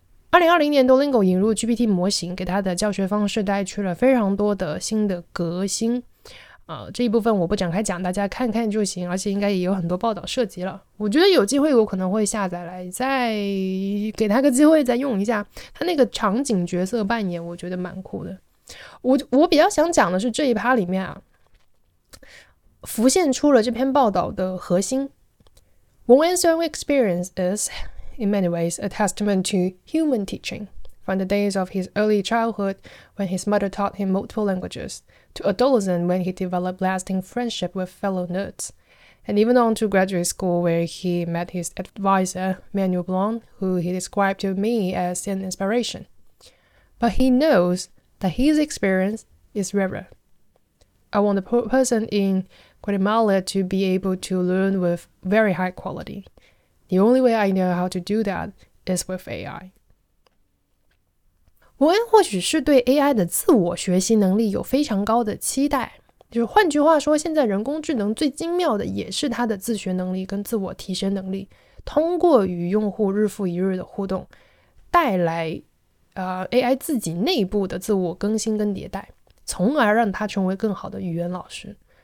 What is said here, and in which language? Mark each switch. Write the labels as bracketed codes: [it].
[zh] 2020年 Duolingo 引入 GPT 模型，给他的教学方式带去了非常多的新的革新这一部分我不展开讲，大家看看就行，而且应该也有很多报道涉及了。我觉得有机会我可能会下载来再给他个机会再用一下，他那个场景角色扮演我觉得蛮酷的。我比较想讲的是这一趴里面啊，浮现出了这篇报道的核心。 [en] One answering experience is in many ways a testament to human teaching, from the days of his early childhood when his mother taught him multiple languages,to adolescent when he developed lasting friendship with fellow nerds, and even on to graduate school where he met his advisor, Manuel Blanc, who he described to me as an inspiration. But he knows that his experience is rarer. I want a person in Guatemala to be able to learn with very high quality. The only way I know how to do that is with AI. [zh] 文恩或许是对 AI 的自我学习能力有非常高的期待，就是换句话说，现在人工智能最精妙的也是它的自学能力跟自我提升能力，通过与用户日复一日的互动带来AI 自己内部的自我更新跟迭代，从而让它成为更好的语言老师。